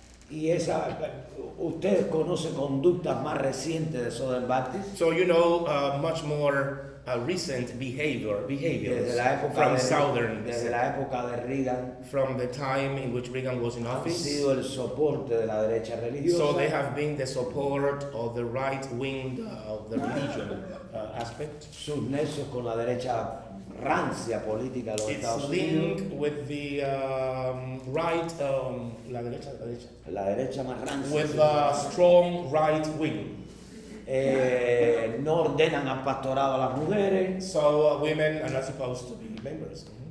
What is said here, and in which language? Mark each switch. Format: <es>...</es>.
<es>Y esa, ustedes conocen conductas más recientes de Southern Baptist.</es> <en>So you know much more recent behaviors</en> <es>desde la época</es> <en>from</en> <es>de,</es> <en>Southern.</en> <es>Desde la época de Reagan.</es> <en>From the time in which Reagan was in office.</en> <es>Ha sido el soporte de la derecha religiosa.</es> <en>So they have been the support of the right wing of the religion aspect.</en> <es>Sus nexos con la derecha rancia política de los</es> <en>its</en> <es>Estados Unidos.</es> <en>It's linked with the right,</en> <es>la derecha. La derecha más rancia.</es> <en>With a strong right wing.</en> <es>No ordenan al pastorado a las mujeres.</es> <en>So women are not supposed to be members.</en>